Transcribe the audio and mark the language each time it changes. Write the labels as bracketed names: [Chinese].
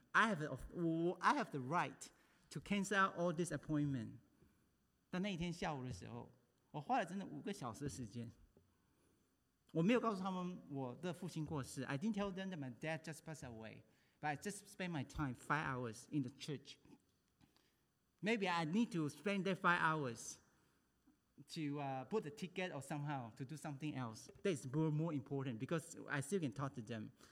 [English] I have the right to cancel out all this appointment. [Chinese] 但那一天下午的时候，我花了真的5个小时的时间。我没有告诉他们我的父亲过世. [English] I didn't tell them that my dad just passed away. But I just spent my time 5 hours in the church. Maybe I need to spend that 5 hours to put a ticket or somehow to do something else. That is more important because I still can talk to them.